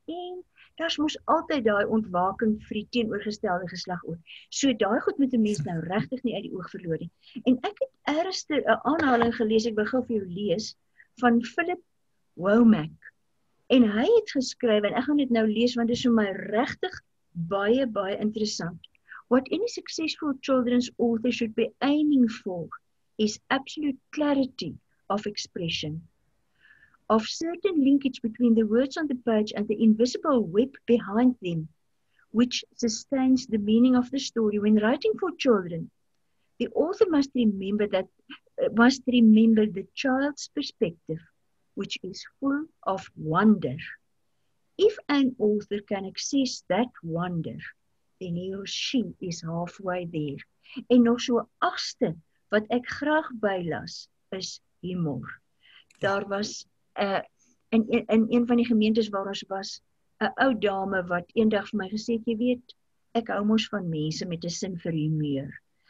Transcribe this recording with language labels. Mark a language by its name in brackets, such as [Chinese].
[Afrikaans] En daar's mos altyd daai ontwaking vir die teenoorgestelde geslag ook. So daai goed moet 'n mens nou regtig nie uit die oog verloor nie. En ek het eerste 'n aanhaling gelees, ek begin vir jou lees, van Philip Womack. En hy het geskryf, en ek gaan dit nou lees, want dit is vir my regtig baie, baie interessant. [English] What any successful children's author should be aiming for is absolute clarity of expression, of certain linkage between the words on the page and the invisible web behind them, which sustains the meaning of the story. When writing for children, the author must remember the child's perspective, which is full of wonder. If an author can access that wonder, then he or she is halfway there. [Afrikaans] En nog so 'n agste wat ek graag bylas, is humor. Daar was in een van die gemeentes waar ons was, 'n ou dame wat eendag vir my gesê het, jy weet, ek hou mos van mense met 'n sin vir humor.